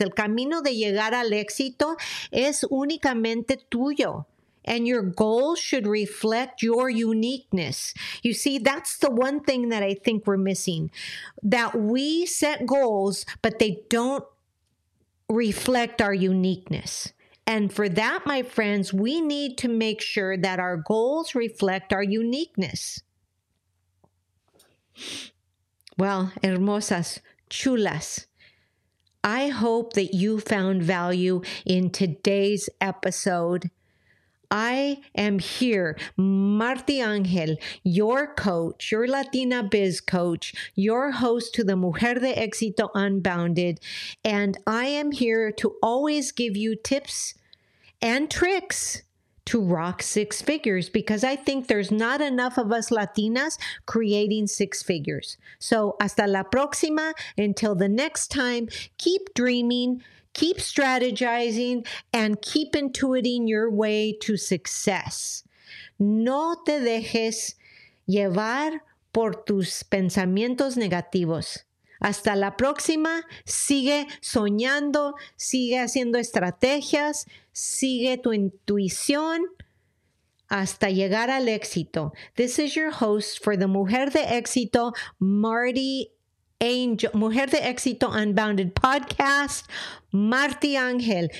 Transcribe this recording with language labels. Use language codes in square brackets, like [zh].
[es] El camino de llegar al éxito es únicamente tuyo. [en] And your goal should reflect your uniqueness. You see, that's the one thing that I think we're missing. That we set goals, but they don't reflect our uniqueness. And for that, my friends, we need to make sure that our goals reflect our uniqueness. Well, [es] hermosas, chulas, [en] I hope that you found value in today's episode. I am here, Marty Angel, your coach, your Latina biz coach, your host to the Mujer de Éxito Unbounded, and I am here to always give you tips and tricks to rock six figures, because I think there's not enough of us Latinas creating six figures. So [es] hasta la próxima, [en] until the next time, keep dreaming, keep strategizing, and keep intuiting your way to success. [es] No te dejes llevar por tus pensamientos negativos. Hasta la próxima, sigue soñando, sigue haciendo estrategias, sigue tu intuición hasta llegar al éxito. [en] This is your host for the Mujer de Éxito, Marty Angel, Mujer de Éxito Unbounded Podcast, Marty Angel.